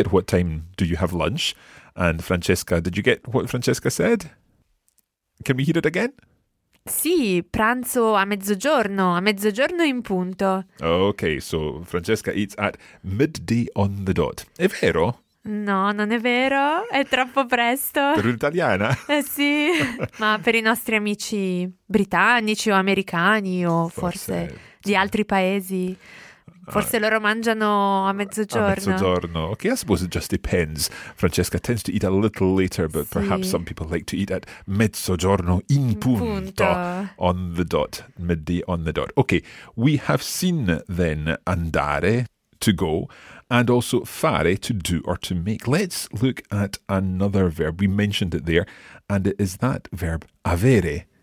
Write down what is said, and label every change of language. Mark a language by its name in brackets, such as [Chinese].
[English] At what time do you have lunch? And Francesca, did you get what Francesca said? Can we hear it again? [Italian] Sì, pranzo a mezzogiorno in punto. [English] Okay, so Francesca eats at midday on the dot. [Italian] È vero? No, non è vero, è troppo presto. Per l'italiana? Sì, ma per i nostri amici britannici o americani o forse di altri paesi, forse loro mangiano a mezzogiorno. A mezzogiorno, [English] ok, I suppose it just depends. Francesca tends to eat a little later, but sì. Perhaps some people like to eat at [Italian] mezzogiorno in punto. [English] On the dot, midday on the dot. Ok, we have seen then andare, to go, and also fare, to do or to make. Let's look at another verb. We mentioned it there, and it is that verb avere.